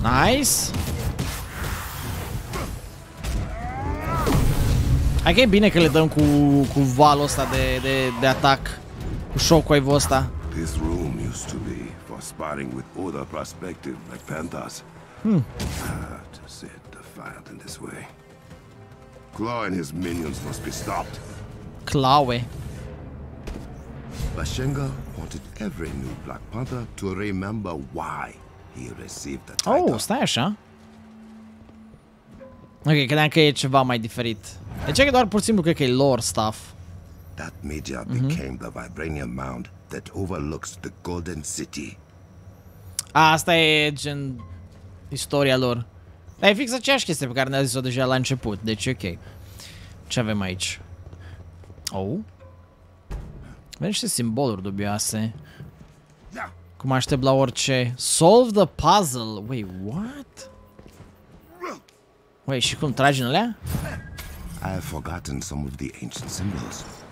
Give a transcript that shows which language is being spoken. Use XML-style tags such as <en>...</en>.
<en>Nice.</en> <ro>Ok, e bine că le dăm cu valul ăsta de atac. Cu shockwave-ul ăsta.</ro> <en>This room used to be for sparring with other prospective Black Panthers. To set the fire in this way. Claw and his minions must be stopped. Clawe. Bashenga wanted every new Black Panther to remember why he received the title.</en> <ro>Oh, stai așa. Ok, credeam că e ceva mai diferit. Deci e doar pur și simplu că e lore stuff.</ro> <en>That media became the vibranium mound that overlooks the Golden City.</en> <ro>Asta e gen istoria lor. Dar e fix aceeași chestie pe care ne-a zis-o deja la început, deci ok. Ce avem aici? Oh? Avem niște simboluri dubioase. Cum aștept la orice.</ro> <en>Solve the puzzle. Wait, what? Wait,</en> <ro>și cum tragi în alea?</ro> <en>I have forgotten some of the ancient symbols.</en>